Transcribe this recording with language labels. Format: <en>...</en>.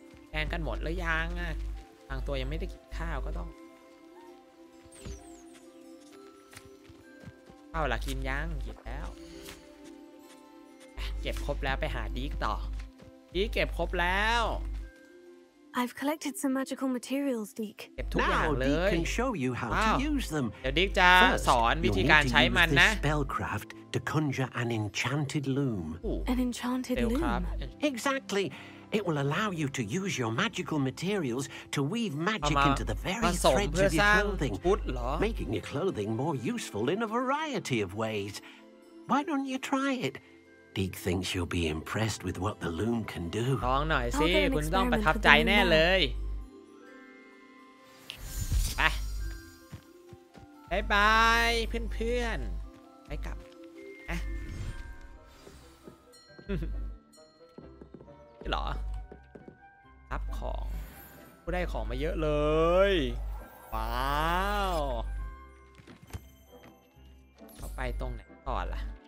<th>แกงกันหมดแล้วยังอ่ะทางตัวยังไม่ได้กินข้าวก็ต้องข้าวล่ะกินยังกินแล้วเก็บครบแล้วไปหาดิ๊กต่อดิ๊กเก็บครบแล้ว</th> <en>I've collected some magical materials, Deek. Now, Deek can show you how to use them. First, you'll need to use the spellcraft to conjure an enchanted loom. An enchanted loom? Exactly. It will allow you to use your magical materials to weave magic into the very threads of your clothing, making your clothing more useful in a variety of ways. Why don't you try it? Deek thinks you'll be impressed with what the loom can do.</en> <th>ลองหน่อยสิคุณต้องประทับใจแน่เลยไปบ๊ายบายเพื่อนเพื่อนไปกลับนะหรอรับของผู้ได้ของมาเยอะเลยว้าวเข้าไปตรงไหนก่อนล่ะ</th>